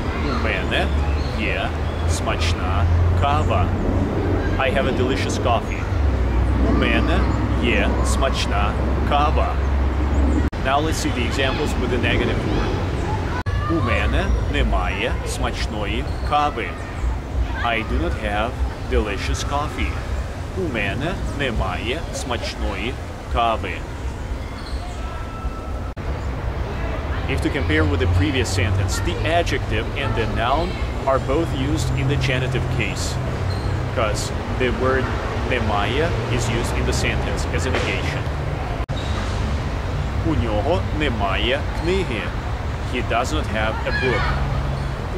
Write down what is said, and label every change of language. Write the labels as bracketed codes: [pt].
[uk] У мене є смачна кава. [en] I have a delicious coffee. [uk] У мене є смачна кава. [en] Now let's see the examples with the negative form. [uk] У мене немає смачної кави. [en] I do not have delicious coffee. [uk] У мене немає смачної кави. [en] If to compare with the previous sentence, the adjective and the noun are both used in the genitive case, because the word немає is used in the sentence as a negation. [uk] У нього немає книги. [en] He does not have a book.